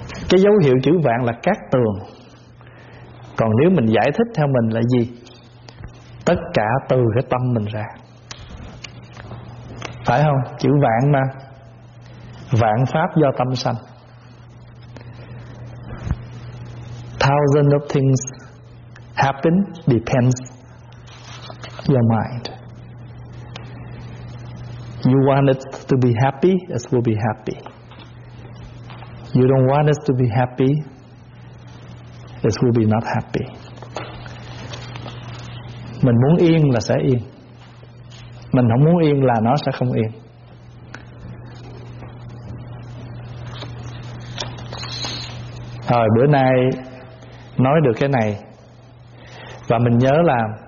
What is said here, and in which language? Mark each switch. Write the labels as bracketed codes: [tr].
[vi] Cái dấu hiệu chữ vạn là cát tường. Còn nếu mình giải thích theo mình là gì? Tất cả từ cái tâm mình ra, phải không? Chữ vạn mà, vạn pháp do tâm sanh. [en] Thousands of things happen depends your mind. You want it to be happy, it will be happy. You don't want it to be happy, this will be not happy. [vi] Mình muốn yên là sẽ yên, mình không muốn yên là nó sẽ không yên. Rồi bữa nay nói được cái này, và mình nhớ là